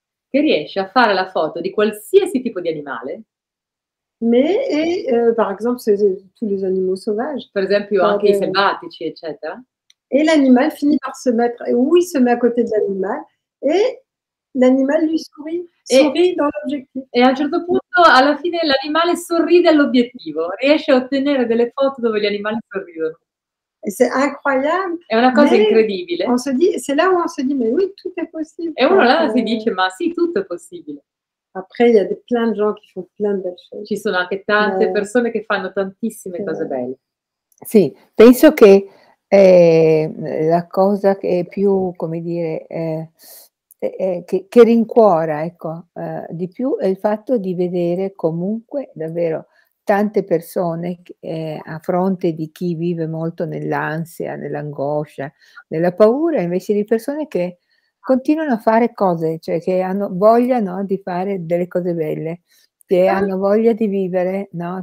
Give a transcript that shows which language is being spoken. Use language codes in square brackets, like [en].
[it] Che riesce a fare la foto di qualsiasi tipo di animale. [fr] Mais, et par exemple, tous les animaux sauvages. [it] Per esempio, anche i selvatici, eccetera. [fr] Et l'animal finit par se mettre, ou il se met à côté de l'animal, et l'animal lui sourit dans l'objectif. Et à un certain point, à la fin, l'animal sourit à l'objectif. Riesce à obtenir des photos où les animaux sourient. C'est incroyable. [it] È una cosa incredibile. [fr] On se dit, c'est là où on se dit, mais oui, tout est possible. [it] E uno là si dice, ma sì, tutto è possibile. [fr] Après, il y a plein de gens qui font plein de belles choses. [it] Ci sono anche tante persone che fanno tantissime cose belle. Sì, penso che la cosa che è più, come dire, che rincuora, ecco, di più è il fatto di vedere comunque davvero tante persone a fronte di chi vive molto nell'ansia, nell'angoscia, nella paura, invece di persone che continuano a fare cose, cioè che hanno voglia, no, di fare delle cose belle, che hanno voglia di vivere, no?